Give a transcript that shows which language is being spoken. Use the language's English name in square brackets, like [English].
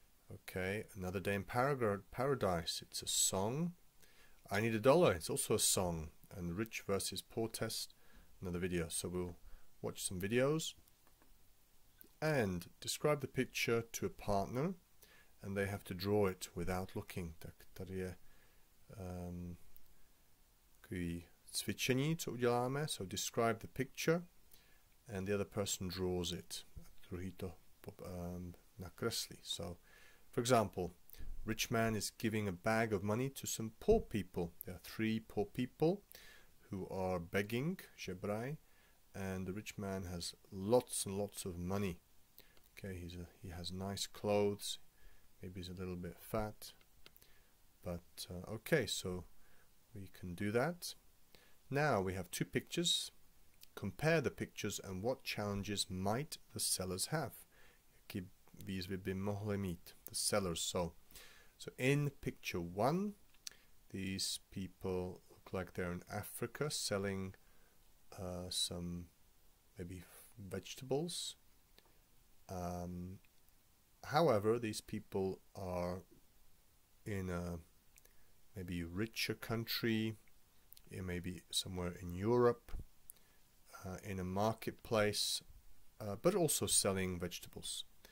[English] Okay, another day in paradise. It's a song. I need a dollar. It's also a song. And rich versus poor test. Another video. So we'll watch some videos and describe the picture to a partner. And they have to draw it without looking. [Czech] Tak tady je takový cvičení, co uděláme. [English] So describe the picture and the other person draws it. [Czech] A druhý to nakreslí. [English] So, for example, rich man is giving a bag of money to some poor people. There are three poor people who are begging, žebraj, and the rich man has lots and lots of money. Okay, he has nice clothes. Maybe he's a little bit fat, but okay, so we can do that. Now we have two pictures. Compare the pictures and what challenges might the sellers have? [Czech] Jaký výzvy by mohli mít [English] the sellers? So in picture one, these people look like they're in Africa selling some maybe vegetables. However, these people are in a maybe richer country, maybe somewhere in Europe, in a marketplace, but also selling vegetables.